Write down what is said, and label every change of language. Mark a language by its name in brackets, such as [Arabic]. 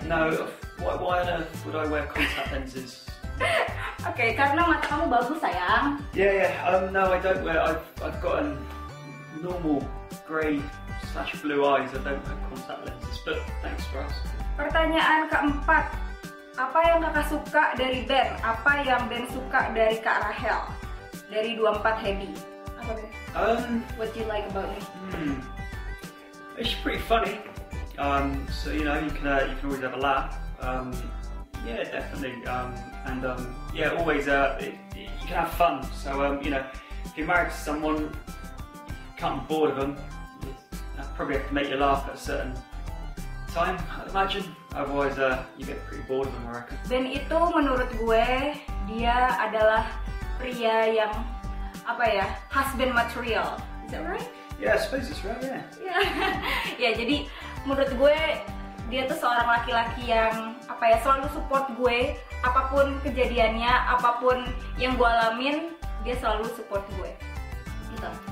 [English] No, why on earth would I wear contact lenses? [Indonesian] Okay, karena mata kamu bagus, sayang. [English] Yeah. No, I don't wear. I've got a normal grey/blue eyes. I don't wear contact lenses. But thanks for asking. [Indonesian] Pertanyaan keempat, apa yang kakak suka dari Ben? Apa yang Ben suka dari Kak Rahel? Dari 24 Heavy. Apa Ben? [English] What do you like about me? It's pretty funny. So you know, you can always have a laugh. Yeah, definitely. You can have fun. So you know, if you're married to someone, you can't be bored of them. You probably have to make you laugh at a certain time, I'd imagine. Otherwise, you get pretty bored of them, I reckon. [Indonesian] Ben itu menurut gue dia adalah pria yang apa ya, [English] husband material. Is that right? Yeah, I suppose it's right. Yeah. Yeah. Yeah. [Indonesian] Jadi menurut gue dia tuh seorang laki-laki yang apa ya, selalu support gue apapun kejadiannya, apapun yang gue alamin, dia selalu support gue gitu.